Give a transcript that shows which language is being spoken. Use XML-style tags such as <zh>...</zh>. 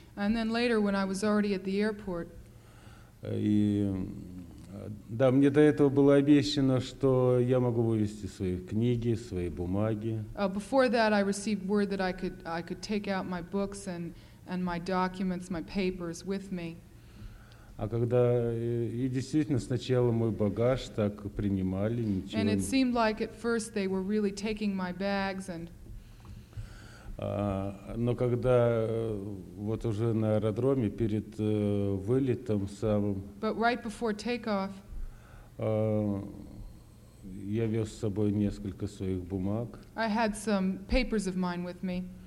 <en>and then later, when I was already at the airport,</en> <ru>и да, мне до этого было обещано, что я могу вывести свои книги, свои бумаги.</ru> <en>Before that, I received word that I could take out my books and my documents, my papers with me.</en> <ru>А когда и действительно сначала мой багаж так принимали, ничего.</ru> <en>And it seemed like at first they were really taking my bags and.</en> <ru>Но когда вот уже на аэродроме перед вылетом самым.</ru> <en>But right before takeoff.</en> <ru>Я вез с собой несколько своих бумаг.</ru> <en>I had some papers of mine with me.</en>